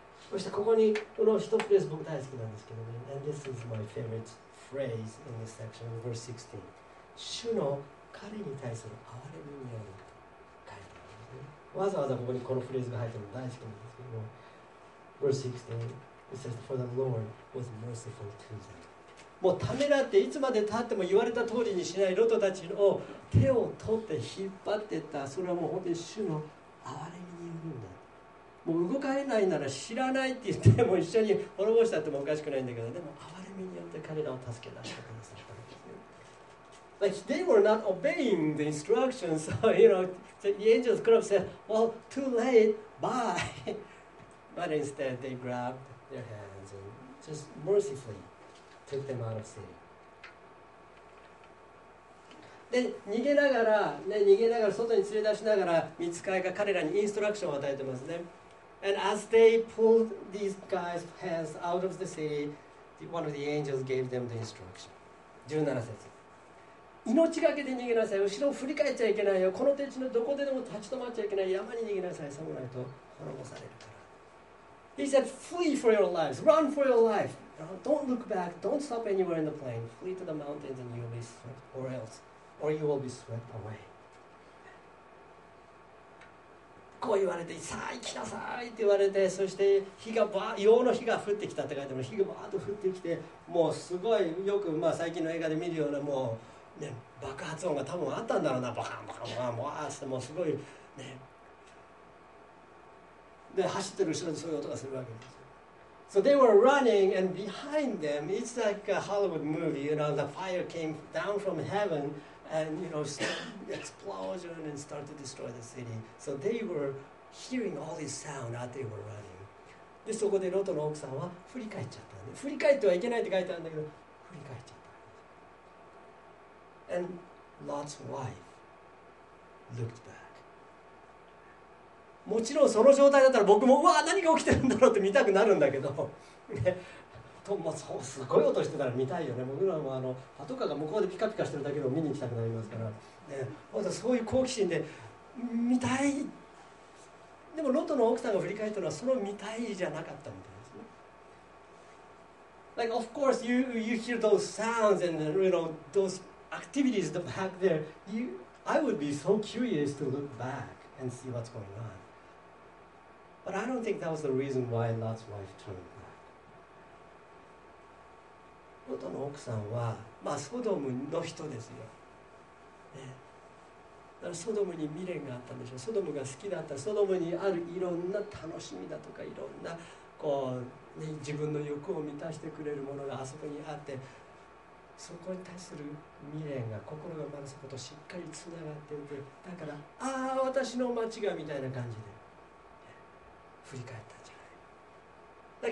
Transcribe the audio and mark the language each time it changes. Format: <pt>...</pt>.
<ja>そしてここにこの一フレーズ僕大好きなんですけどね。</ja> <en>And this is my favorite phrase in this section, verse 16.</en> <ja>主の彼に対する憐れみにより書いてあるんですね。わざわざここにこのフレーズが入ってるの大好きなんですけども。</ja> <en>Verse 16, it says, For the Lord was merciful to them.</en> <ja>もうためらっていつまでたっても言われた通りにしないロトたちを手を取って引っ張ってった。それはもう本当に主の憐れみによるんだ。もう動かれないなら知らないって言っても一緒に滅ぼしたってもおかしくないんだけど、でも憐れみによって彼らを助け出してくださったんですね。</ja> <en>Like, they were not obeying the instructions, so you know, the angels could have said, well, too late, bye. But instead, they grabbed their hands and just mercifully took them out of city.</en> <ja>で逃げながら、ね、逃げながら外に連れ出しながら御使いが彼らにインストラクションを与えてますね。</ja> <en>And as they pulled these guys' hands out of the city, one of the angels gave them the instruction.</en> <ja>17節、命がけで逃げなさい、後ろを振り返っちゃいけないよ、この手地のどこででも立ち止まっちゃいけない、山に逃げなさい、そうないと滅ぼされるから。</ja> <en>He said, flee for your lives, run for your life, don't look back, don't stop anywhere in the plain, flee to the mountains and you'll be swept, or elseOr you will be swept away.</en> <ja>こう言われて、さあ行きなさいって言われて、そして火がバー、硫黄の火が降ってきたって書いてある。火がバーッと降ってきて、もうすごいよく、まあ、最近の映画で見るようなもう、ね、爆発音が多分あったんだろうな、バカンバカンバカンバーって、もうすごい、ね、で走ってる後ろにそういう音がするわけです。</ja> <en>So they were running, and behind them, it's like a Hollywood movie, you know, the fire came down from heaven, and, you know, explosion and started to destroy the city. So they were hearing all this sound as they were running.</en> <ja>で、そこでロトの奥さんは振り返っちゃったんで、振り返ってはいけないって書いてあるんだけど、振り返っちゃった。</ja> <en>And Lot's wife looked back.</en> <ja>もちろんその状態だったら僕も、うわ、何が起きてるんだろうって見たくなるんだけど、もうすごい音してたら見たいよね。僕らもあのパトカーが向こうでピカピカしてるだけでも見に行きたくなりますから、ね、そういう好奇心で見たい。でもロトの奥さんが振り返ったのはその見たいじゃなかったみたいですね。</ja> <en>Like of course you hear those sounds and you know those activities back there, I would be so curious to look back and see what's going on, but I don't think that was the reason why Lot's wife turned.</en> <ja>ロトの奥さんは、まあ、ソドムの人ですよ、ね、だからソドムに未練があったんでしょう。ソドムが好きだった、ソドムにあるいろんな楽しみだとかいろんなこう、ね、自分の欲を満たしてくれるものがあそこにあって、そこに対する未練が心がまだそことしっかりつながっていて、だからああ私の間違いみたいな感じで、ね、振り返ったんじゃない。</ja>